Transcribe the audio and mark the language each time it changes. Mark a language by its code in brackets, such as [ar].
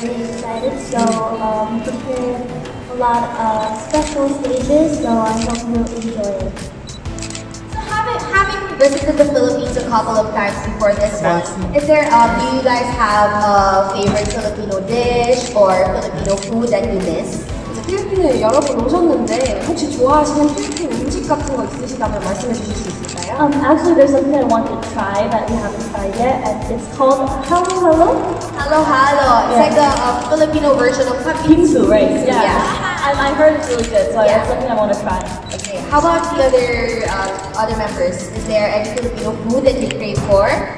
[en] We're really excited, so we prepared a lot of special stages, so I hope you'll enjoy it. Having visited the Philippines a couple of times before this one, do you guys have a favorite Filipino dish or Filipino food that you miss? [ko] 필리핀에 여러 번 오셨는데 혹시 좋아하시는 필리핀 음식 같은 거 있으시다면 말씀해 주실 수 있을까요? [en] Actually, there's something I want to try that we haven't tried yet, and it's called halo halo. Halo halo. It's like a Filipino version of bingsu, right? Yeah. I heard it's really good, so it's something I want to try. Okay. How about the other members? Is there any Filipino food that you crave for?